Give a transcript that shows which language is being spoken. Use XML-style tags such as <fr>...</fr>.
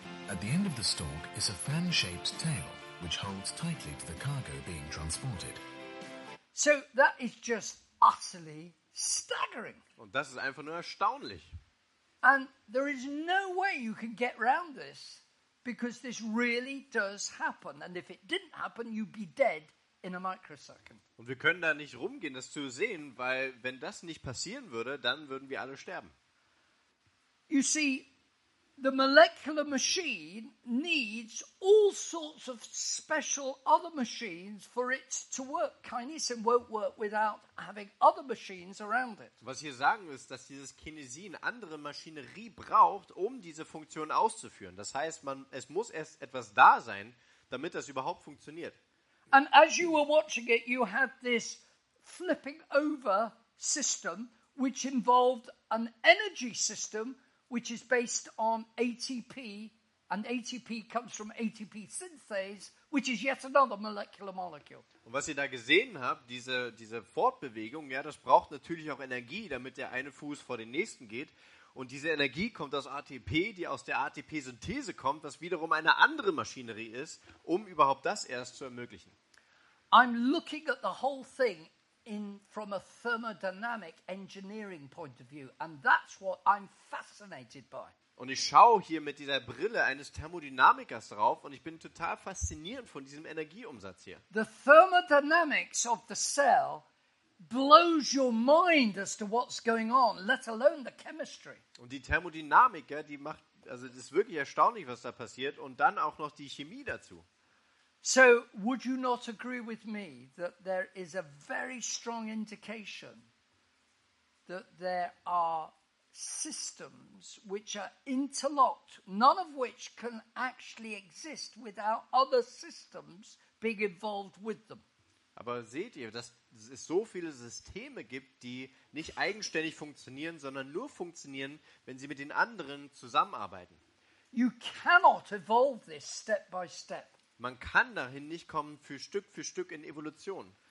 <en>At the end of the stalk is a fan-shaped tail, which holds tightly to the cargo being transported. So that is just utterly staggering.</en> <de>Und das ist einfach nur erstaunlich.</de> <en>And there is no way you can get around this, because this really does happen. And if it didn't happen, you'd be dead in a microsecond.</en> <de>Und wir können da nicht rumgehen, das zu sehen, weil wenn das nicht passieren würde, dann würden wir alle sterben.</de> <en>You see, the molecular machine needs all sorts of special other machines for it to work. Kinesin won't work without having other machines around it.</en> <de>Was wir sagen ist, dass dieses Kinesin andere Maschinerie braucht, um diese Funktion auszuführen. Das heißt, es muss erst etwas da sein, damit das überhaupt funktioniert.</de> <en>And as you were watching it, you had this flipping over system, which involved an energy system, which is based on ATP, and ATP comes from ATP synthase, which is yet another molecular molecule.</en> <de>Und was ihr da gesehen habt, diese Fortbewegung, ja, das braucht natürlich auch Energie, damit der eine Fuß vor den nächsten geht. Und diese Energie kommt aus ATP, die aus der ATP-Synthese kommt, was wiederum eine andere Maschinerie ist, um überhaupt das erst zu ermöglichen.</de> <en>I'm looking at the whole thing from a thermodynamic engineering point of view, and that's what I'm fascinated by.</en> <de>Und ich schaue hier mit dieser Brille eines Thermodynamikers drauf und ich bin total fasziniert von diesem Energieumsatz hier.</de> <en>The thermodynamics of the cell blows your mind as to what's going on, let alone the chemistry.</en> <de>Und die Thermodynamik, ja, die macht, also das ist wirklich erstaunlich, was da passiert, und dann auch noch die Chemie dazu.</de> <en>So, would you not agree with me that there is a very strong indication that there are systems which are interlocked, none of which can actually exist without other systems being involved with them?</en> <de>Aber seht ihr, dass es so viele Systeme gibt, die nicht eigenständig funktionieren, sondern nur funktionieren, wenn sie mit den anderen zusammenarbeiten.</de> <en>You cannot evolve this step by step.</en> <de>Man kann dahin nicht kommen für Stück in Evolution.</de>